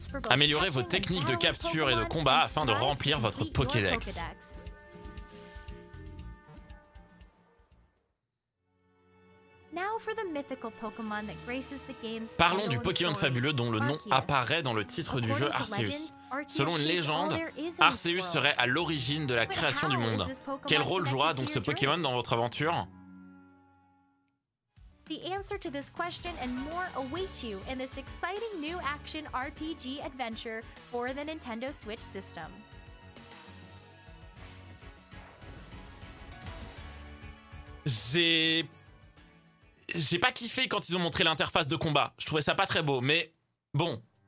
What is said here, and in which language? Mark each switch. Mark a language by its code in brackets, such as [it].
[fr] Améliorez vos techniques de capture et de combat afin de remplir votre Pokédex. [en] Now for the mythical Pokémon that graces the game's. [fr] Parlons du Pokémon fabuleux dont le nom apparaît dans le titre du jeu Arceus. Selon une légende, Arceus serait à l'origine de la création du monde. Quel rôle jouera donc ce Pokémon dans votre aventure? [en] The answer to this question and more awaits you in this exciting new action RPG adventure for the Nintendo Switch system. [fr] J'ai pas kiffé quand ils ont montré l'interface de combat. Je trouvais ça pas très beau, mais bon.